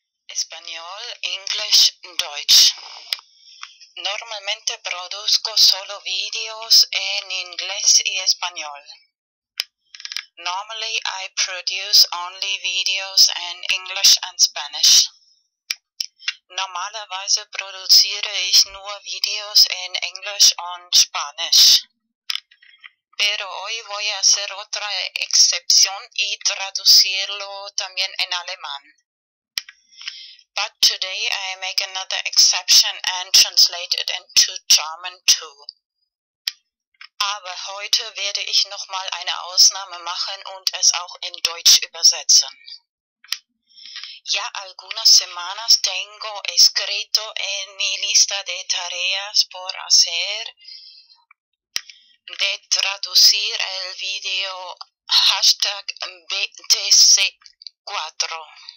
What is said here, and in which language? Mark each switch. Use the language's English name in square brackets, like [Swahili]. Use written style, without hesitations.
[Spanish] español, inglés, deutsch. Normalmente produzco solo videos en inglés y español. [English] Normally I produce only videos in English and Spanish. [German] Normalerweise produziere ich nur Videos in English und Spanisch. [Spanish] Pero hoy voy a hacer otra excepción y traducirlo también en alemán. [English] But today I make another exception and translate it into German too. [German] Aber heute werde ich nochmal eine Ausnahme machen und es auch in Deutsch übersetzen. [Spanish] Ya algunas semanas tengo escrito en mi lista de tareas por hacer de traducir el video hashtag BTC4.